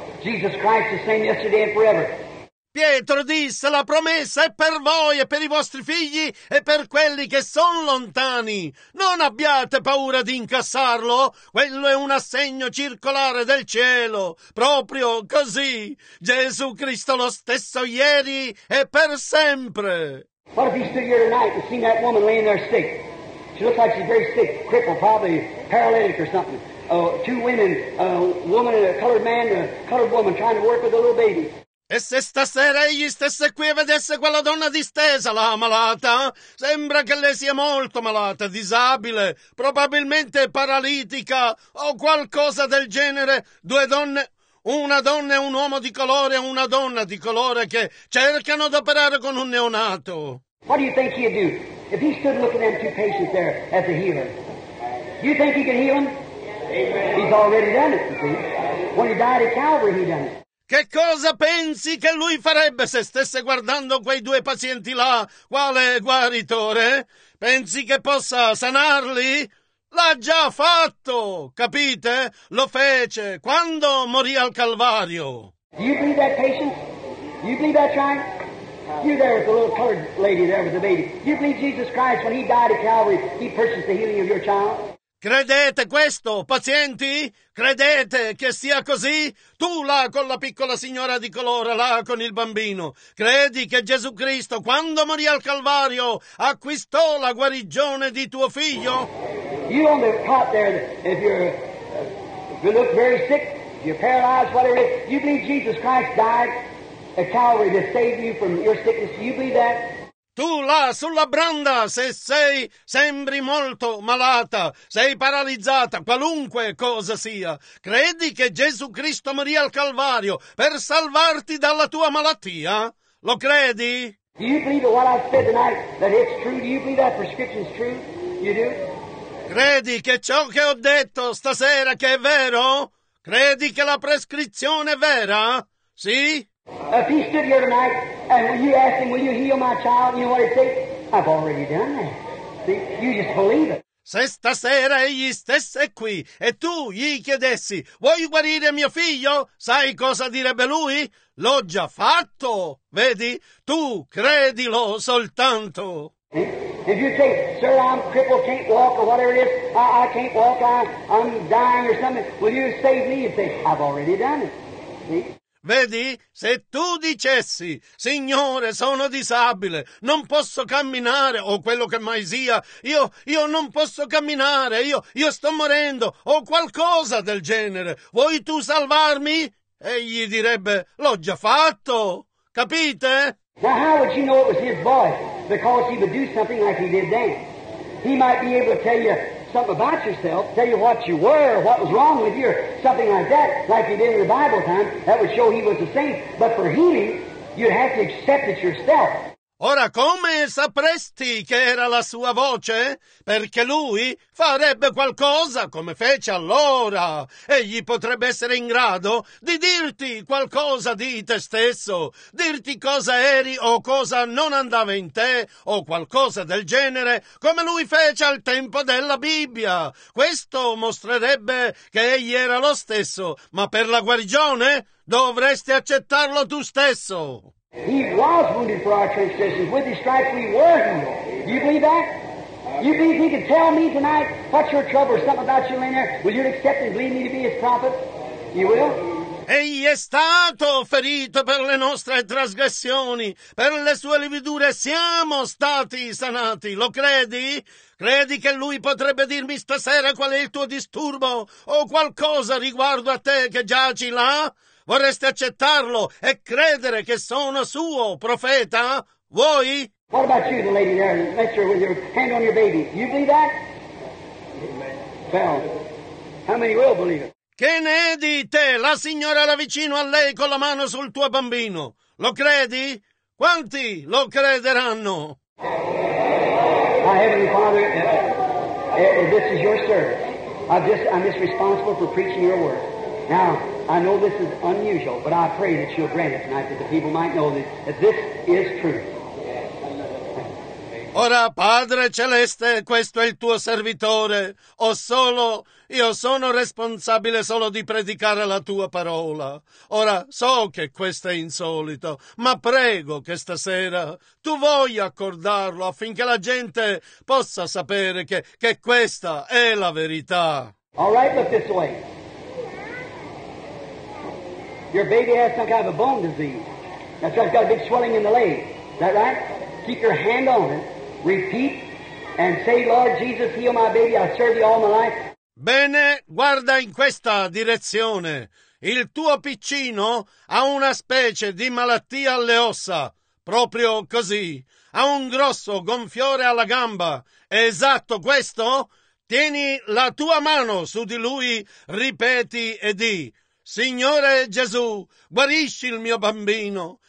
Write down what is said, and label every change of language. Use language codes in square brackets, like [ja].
[en] Jesus Christ is the same yesterday and forever. [it] Pietro disse, la promessa è per voi e per i vostri figli e per quelli che sono lontani. Non abbiate paura di incassarlo, quello è un assegno circolare del cielo. Proprio così, Gesù Cristo lo stesso ieri e per sempre. [en] What if you stood here tonight and seen that woman laying there sick? She looks like she's very sick, crippled, probably paralytic or something. Two women, a woman and a colored man and a colored woman trying to work with a little baby. [it] E se stasera egli stesse qui e vedesse quella donna distesa, la malata, sembra che lei sia molto malata, disabile, probabilmente paralitica o qualcosa del genere, due donne, una donna e un uomo di colore, una donna di colore che cercano di operare con un neonato. [en] What do you think he'd do if he stood looking at two patients there as a healer? You think he can heal them? He's already done it, you see. When he died at Calvary, he done it. [it] Che cosa pensi che lui farebbe se stesse guardando quei due pazienti là? Quale guaritore? Pensi che possa sanarli? L'ha già fatto, capite? Lo fece quando morì al Calvario. [en] Do you believe that patient? Do you believe that child? You there with the little colored lady there with the baby. Do you believe Jesus Christ when he died at Calvary, he purchased the healing of your child? [it] Credete questo, pazienti? Credete che sia così? Tu là con la piccola signora di colore, là con il bambino, credi che Gesù Cristo, quando morì al Calvario, acquistò la guarigione di tuo figlio? [en] You on the cot there, if you look very sick, if you're paralyzed, whatever it is, you believe Jesus Christ died at Calvary to save you from your sickness? Do you believe that? [it] Tu là sulla branda, se sei, sembri molto malata, sei paralizzata, qualunque cosa sia, credi che Gesù Cristo morì al Calvario per salvarti dalla tua malattia? Lo credi? [en] Do you believe what I said tonight, that it's true? Do you believe that prescription is true? You do? [it] Credi che ciò che ho detto stasera che è vero? Credi che la prescrizione è vera? Sì? [en] If he stood here tonight and you asked him, will you heal my child? You know what he'd say? I've already done that. See, you just believe it. [it] Se stasera egli stesse qui e tu gli chiedessi, vuoi guarire mio figlio? Sai cosa direbbe lui? L'ho già fatto. Vedi? Tu credilo soltanto. [en] If you say, sir, I'm crippled, can't walk, or whatever it is, I can't walk, I'm dying or something, will you save me? You'd say, I've already done it. See? [it] Vedi, se tu dicessi, Signore, sono disabile, non posso camminare, o quello che mai sia, io non posso camminare, io sto morendo, o qualcosa del genere, vuoi tu salvarmi? Egli direbbe, l'ho già fatto, capite? [en] Now how would you know it was his voice? Because he would do something like he did then. He might be able to tell you something about yourself, tell you what you were, what was wrong with you, or something like that, like he did in the Bible time. That would show he was a saint. But for healing, you'd have to accept it yourself. [it] Ora come sapresti che era la sua voce? Perché lui farebbe qualcosa come fece allora. Egli potrebbe essere in grado di dirti qualcosa di te stesso, dirti cosa eri o cosa non andava in te o qualcosa del genere, come lui fece al tempo della Bibbia. Questo mostrerebbe che egli era lo stesso, ma per la guarigione dovresti accettarlo tu stesso. [en] He was wounded for our transgressions. With his stripes we were healed. Do you believe that? You believe he could tell me tonight what's your trouble or something about you in there? Will you accept and believe me to be his prophet? You will? [it] Egli è stato ferito per le nostre trasgressioni, per le sue lividure siamo stati sanati, lo credi? Credi che lui potrebbe dirmi stasera qual è il tuo disturbo o qualcosa riguardo a te che giaci là? Vorresti accettarlo e credere che sono suo profeta? Vuoi? [en] What about you, the lady there, Lester, with your hand on your baby? Do you believe that? Well, how many will believe it? [it] Che ne di te, la signora là vicino a lei con la mano sul tuo bambino? Lo credi? Quanti lo crederanno? [en] My Heavenly Father, this is your service. I'm just responsible for preaching your word. Now, I know this is unusual, but I pray that you'll grant it tonight that the people might know that this is true. [it] Ora, Padre Celeste, questo è il tuo servitore. Io sono responsabile solo di predicare la tua parola. Ora, so che questo è insolito, ma prego che stasera tu voglia accordarlo affinché la gente possa sapere che questa è la verità. [en] All right, look this way. Your baby has some kind of a bone disease. That's right, it's got a big swelling in the leg. Is that right? Keep your hand on it. Repeat and say, Lord Jesus, heal my baby. I serve you all my life. [it] Bene, guarda in questa direzione. Il tuo piccino ha una specie di malattia alle ossa. Proprio così. Ha un grosso gonfiore alla gamba. È esatto questo? Tieni la tua mano su di lui, ripeti e di, Signore Gesù, guarisci il mio bambino.